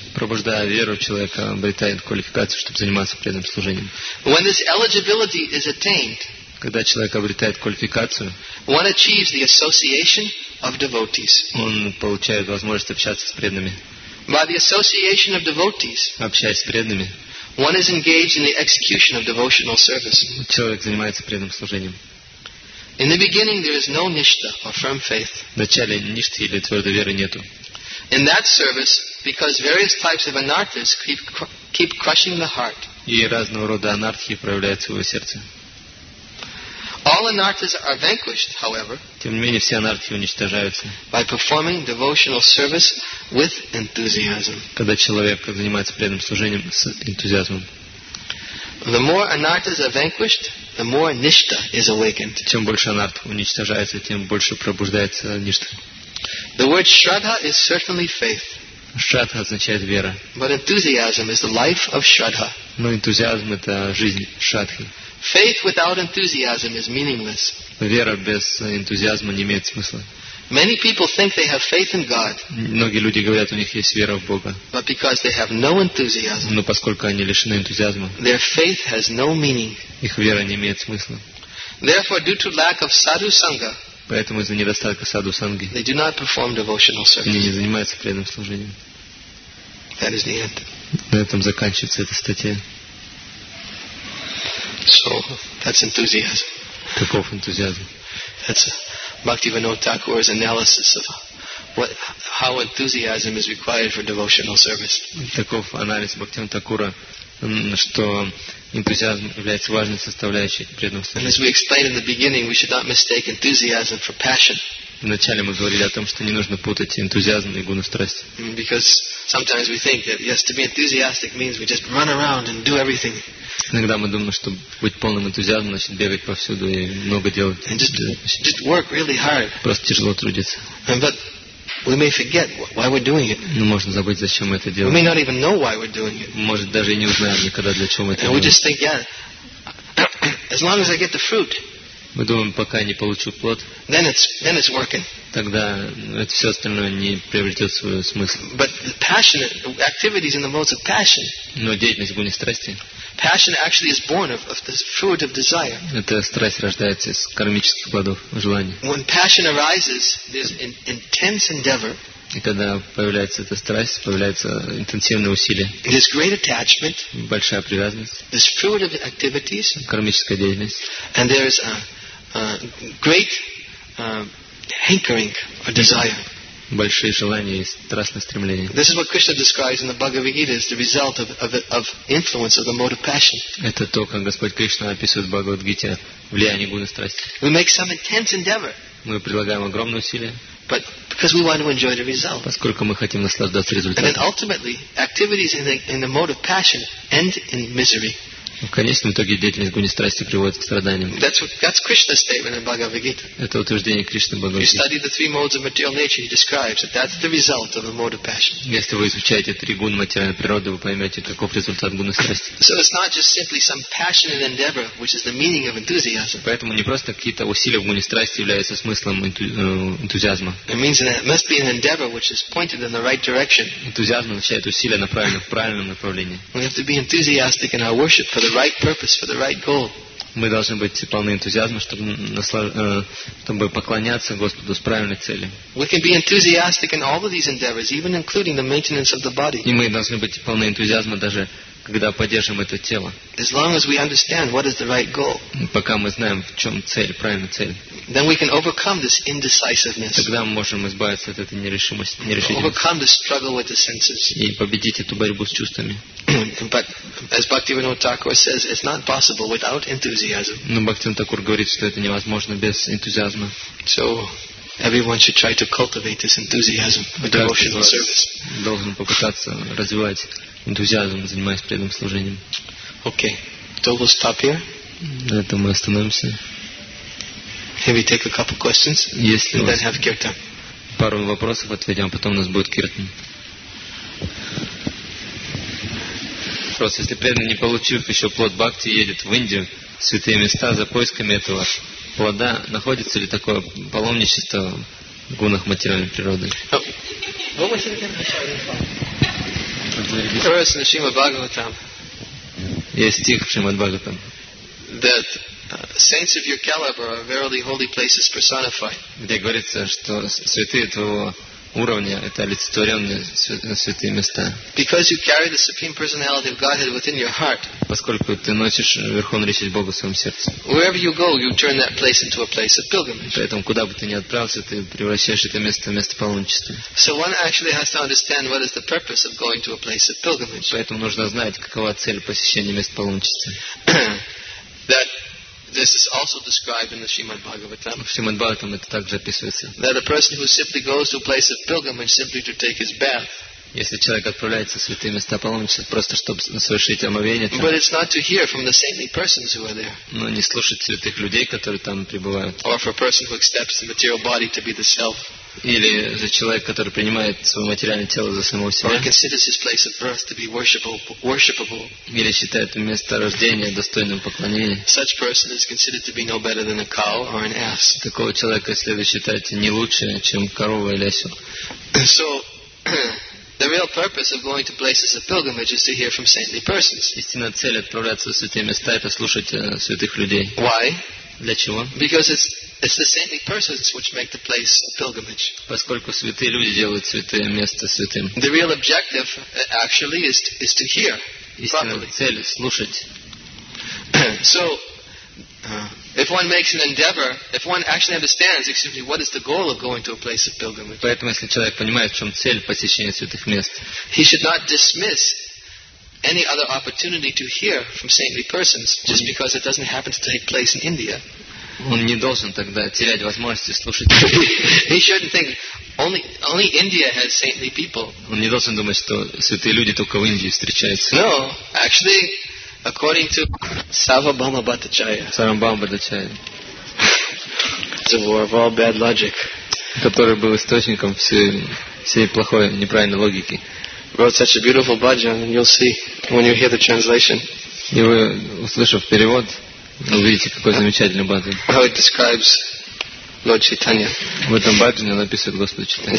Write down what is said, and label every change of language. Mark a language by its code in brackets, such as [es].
[ru] Пробуждая веру, человек обретает квалификацию, чтобы заниматься преданным служением. [en] When this eligibility is attained, [ru] когда человек обретает квалификацию, [en] one achieves the association of devotees. [ru] Он получает возможность общаться с преданными. [en] By the association of devotees, [ru] общаясь с преданными, [en] one is engaged in the execution of devotional service. [ru] Человек занимается преданным служением. [en] In the beginning, there is no nishta or firm faith. [ru] В начале ништи или твердой веры нету. [en] In that service, because various types of anarthas keep crushing the heart. [ru] И разного рода анархии проявляются в его сердце. [en] All anarthas are vanquished, however. [ru] Тем не менее все анархии уничтожаются. [en] By performing devotional service with enthusiasm. [ru] Когда человек занимается преданным служением с энтузиазмом. [en] The more anarthas are vanquished, the more nishta is awakened. [ru] Чем больше анарт уничтожается, тем больше пробуждается ништа. [en] The word shraddha is certainly faith. [ru] Shraddha означает вера. [en] But enthusiasm is the life of shraddha. [ru] Но энтузиазм — это жизнь шраддхи. [en] Faith without enthusiasm is meaningless. [ru] Вера без энтузиазма не имеет смысла. [en] Many people think they have faith in God. [ru] Многие люди говорят, у них есть вера в Бога. [en] But because they have no enthusiasm. [ru] Но поскольку они лишены энтузиазма. [en] Their faith has no meaning. [ru] Их вера не имеет смысла. [en] Therefore, due to lack of sadhu sangha. [ru] Поэтому из-за недостатка саду санги. [en] They do not perform devotional service. [ru] Они не занимаются преданным служением. [en] That is the end. [ru] На этом заканчивается эта статья. [en] So that's enthusiasm. [ru] Каков энтузиазм? [en] That's Bhaktivinoda Thakur's analysis of how enthusiasm is required for devotional service. [ru] Таков анализ Бхактивинода Такура, что энтузиазм является важной составляющей преданного служения. [en] As we explained in the beginning, we should not mistake enthusiasm for passion. [ru] Вначале мы говорили о том, что не нужно путать энтузиазм и гуну страсти. [en] Because sometimes we think that yes, to be enthusiastic means we just run around and do everything. [ru] Иногда мы думаем, что быть полным энтузиазмом значит бегать повсюду и много делать. [en] And just work really hard. [ru] Просто тяжело трудиться. [en] And but we may forget why we're doing it. [ru] Но можно забыть, зачем мы это делаем. [en] We may not even know why we're doing it. [ru] Может даже и не узнаем никогда, для чего мы это делаем. [en] And we just think, yeah, as long as I get the fruit. [ru] Мы думаем, пока я не получу плод, [en] then it's working. [ru] Тогда это все остальное не приобретет свой смысл. [en] But the passionate activities in the modes of passion. [ru] Но деятельность в гуне страсти. [en] Passion actually is born of the fruit of desire. [ru] Эта страсть рождается из кармических плодов желаний. [en] When passion arises, there's an intense endeavor. [ru] И когда появляется эта страсть, появляются интенсивные усилия. [en] There's great attachment. [ru] Большая привязанность. [en] There's fruit of activities. [ru] Кармическая деятельность. [en] And there is a great hankering or desire. [ru] Большие желания и страстное стремление. [en] This is what Krishna describes in the Bhagavad Gita as the result of influence of the mode of passion. [ru] Это то, как Господь Кришна описывает в Бхагавад Гите влияние гуны страсти. [en] We make some intense endeavor. [ru] Мы прилагаем огромные усилия. [en] But because we want to enjoy the result. [ru] Поскольку мы хотим наслаждаться результатом. [en] And then ultimately, activities in the mode of passion end in misery. [ru] В конечном итоге деятельность гуни страсти приводит к страданиям. [en] That's Krishna's statement in Bhagavad Gita. [ru] Это утверждение Кришны в Бхагавад [en] Гите. You study the three modes of material nature, he describes that that's the result of the mode of passion. [ru] Если вы изучаете три гуны материальной природы, вы поймете, каков результат гуны страсти. [en] So it's not just simply some passionate endeavor, which is the meaning of enthusiasm. [ru] Поэтому не просто какие-то усилия в гуне страсти являются смыслом энтузиазма. [en] It means that it must be an endeavor which is pointed in the right direction. [ru] Энтузиазм означает усилия, направленные в правильном направлении. [en] We have to be enthusiastic in our worship for the right purpose, for the right goal. [ru] мы должны быть полны энтузиазма, чтобы, чтобы поклоняться Господу с правильной целью. И мы должны быть полны энтузиазма даже когда поддержим это тело. [en] As long as we understand what is the right goal. [ru] Пока мы знаем, в чем цель, правильная цель. [en] Then we can overcome this indecisiveness. [ru] Тогда мы можем избавиться от этой нерешительности. [en] Overcome the struggle with the senses. [ru] И победить эту борьбу с чувствами. [en] But as Bhaktivinoda Thakur says, it's not possible without enthusiasm. [ru] Но Бхактивинода Тхакур говорит, что это невозможно без энтузиазма. [en] So everyone should try to cultivate this enthusiasm with devotional service. [ru] Должен попытаться развивать энтузиазм, занимаясь преданным служением. [en] Okay, so we'll stop here. [ru] На этом мы остановимся. [en] Maybe take a couple questions. [ru] Если [en] and then have kirtan. [ru] Пару вопросов ответим, а потом у нас будет киртан. Просто если преданный, не получив еще плод бхакти, едет в Индию, в святые места за поисками этого плода, находится ли такое паломничество в гунах материальной природы? [en] First in the Srimad Bhagavatam. Yes, stick Srimad Bhagavatam. That saints of your caliber are verily holy places personified. [ru] Где говорится, что святые твоего уровня это олицетворенные святые места. [en] Because you carry the supreme personality of Godhead within your heart. [ru] Поскольку ты носишь верховную личность Бога в своем сердце. [en] Wherever you go, you turn that place into a place of pilgrimage. [ru] Поэтому куда бы ты ни отправился, ты превращаешь это место в место паломничества. [en] So one actually has to understand what is the purpose of going to a place of pilgrimage. [ru] Поэтому нужно знать, какова цель посещения места паломничества. [en] That this is also described in the Srimad Bhagavatam. [ru] В Srimad Bhagavatam это также описывается. [en] That a person who simply goes to a place of pilgrimage simply to take his bath. [ru] Если человек отправляется в святые места паломничества просто чтобы совершить омовение. Там, [en] but it's not to hear from the saintly persons who are there. [ru] Но не слушать святых людей, которые там пребывают. [en] Or for a person who accepts the material body to be the self. [ru] Или за человека, который принимает свое материальное тело за самого себя. [en] Or considers his place of birth to be worshipable. [ru] Или считает место рождения достойным поклонения. [en] Such person is considered to be no better than a cow or an ass. [ru] Такого человека следует считать не лучше, чем корова или осел. [en] So the real purpose of going to places of pilgrimage is to hear from saintly persons. [ru] Истинная цель отправляться в святые места это слушать святых людей. [en] Why? [ru] Для чего? [en] Because it's the saintly persons which make the place a pilgrimage. [ru] Поскольку святые люди делают святое место святым. [en] The real objective actually is to hear. [ru] Истинная цель слушать. [en] So if one makes an endeavor, if one actually understands, excuse me, what is the goal of going to a place of pilgrimage? [ru] Поэтому если человек понимает, в чем цель посещения святых мест, [en] he should not dismiss any other opportunity to hear from saintly persons just because it doesn't happen to take place in India. [ru] Он не должен тогда терять возможности слушать. [en] He shouldn't think only India has saintly people. [ru] Он не должен думать, что святые люди только в Индии встречаются. [en] No, actually. According to Sarvabhauma Bhattacharya. [ru] Sarvabhauma Bhattacharya. [en] The war of all bad logic. [ru] Который был источником всей плохой, неправильной логики. [en] Wrote such a beautiful bhajan, and you'll see when you hear the translation. [ru] И вы, услышав перевод, увидите, какой замечательный бхаджан. [en] How it describes Lord Chaitanya. [ru] В этом бхаджане он описывает Господа Чайтанью.